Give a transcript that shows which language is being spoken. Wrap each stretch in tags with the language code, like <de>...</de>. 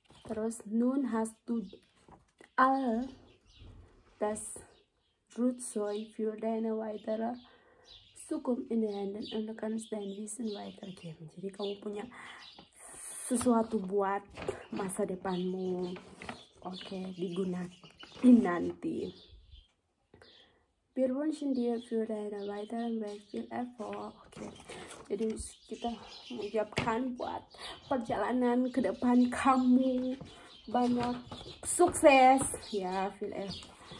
<de>Terus nun hast du all das Rutzoi für deine weitere Zukunft in den Händen und du kannst dein Wissen weitergeben.</de> <id>Jadi kamu punya sesuatu buat masa depanmu. Oke, digunakan nanti.</id> <de>Wir wünschen dir für deine weiteren Weg viel Erfolg.</de> <id>Oke, jadi kita mengucapkan buat perjalanan ke depan kamu banyak sukses ya,</id> <de>viel Erfolg.</de>